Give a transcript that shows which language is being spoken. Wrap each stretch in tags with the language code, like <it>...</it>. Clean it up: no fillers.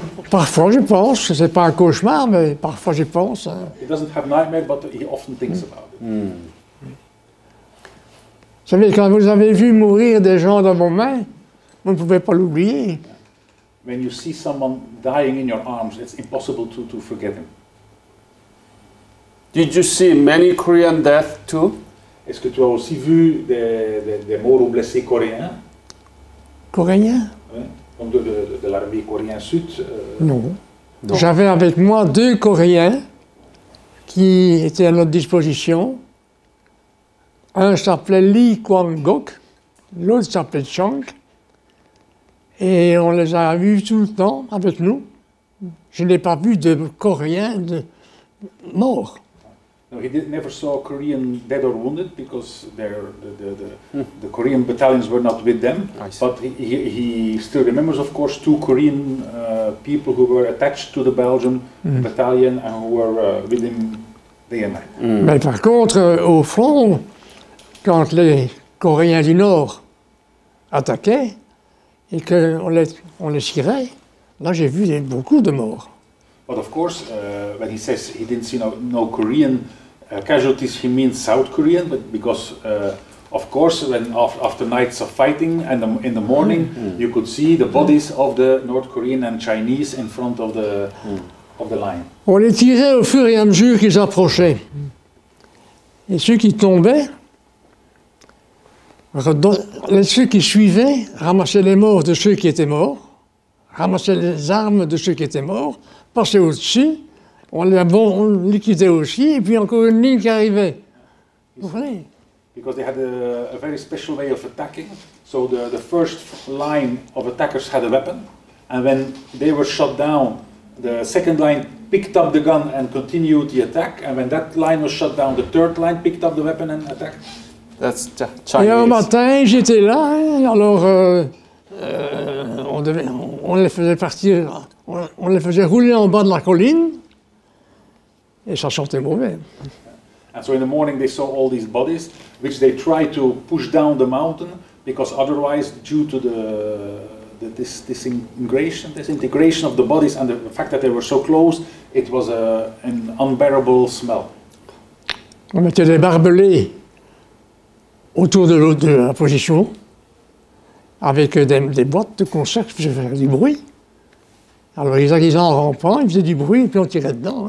<fr>Parfois je pense, c'est pas un cauchemar, mais parfois je pense. Hein.</fr> <en>He doesn't have nightmares, but he often thinks about it. Mm.</en> <fr>Vous savez, quand vous avez vu mourir des gens dans vos mains, vous ne pouvez pas l'oublier.</fr> <en>When you see someone dying in your arms, it's impossible to forget him. Did you see many Korean death too?</en> <fr>Est-ce que tu as aussi vu des morts ou blessés coréens? Coréens? Oui. De l'armée coréenne sud. Non. J'avais avec moi deux Coréens qui étaient à notre disposition. Un s'appelait Lee Kwang-gok, l'autre s'appelait Chang, et on les a vus tout le temps avec nous. Je n'ai pas vu de Coréens de morts.</fr> <en>No, he never saw Korean dead or wounded because the Korean battalions were not with them. But he still remembers, of course, two Korean people who were attached to the Belgian battalion and who were with him day and night.</en> <fr>Mm. Mais par contre, au front. Quand les Coréens du Nord attaquaient et qu'on les tirait, Là, j'ai vu beaucoup de morts.</fr> <en>But of course, when he says he didn't see no Korean casualties, he means South Korean, but because of course, when after nights of fighting and in the morning, you could see the bodies of the North Korean and Chinese in front of the of the line.</en> <fr>On les tirait au fur et à mesure qu'ils approchaient, et ceux qui tombaient, ceux qui suivaient ramassaient les morts de ceux qui étaient morts, ramassaient les armes de ceux qui étaient morts, passaient au-dessus, on liquidait aussi, et puis encore une ligne qui arrivait. Vous voyez?</fr> <en>Because they had a very special way of attacking. So the first line of attackers had a weapon, and when they were shot down, the second line picked up the gun and continued the attack. And when that line was shut down, the third line picked up the weapon and attacked. That's Chinese.</en> <fr>Et un matin, j'étais là. Alors, on les faisait partir, on les faisait rouler en bas de la colline, et ça sentait mauvais.</fr> <en>And so in the morning they saw all these bodies, which they tried to push down the mountain, because otherwise, due to the disintegration of the bodies and the fact that they were so close, it was an unbearable smell.</en> <fr>On mettait des barbelés autour de la position, avec des boîtes de conserve qui faisaient du bruit. Alors ils arrivaient en rampant, ils faisaient du bruit, et puis on tirait dedans.</fr>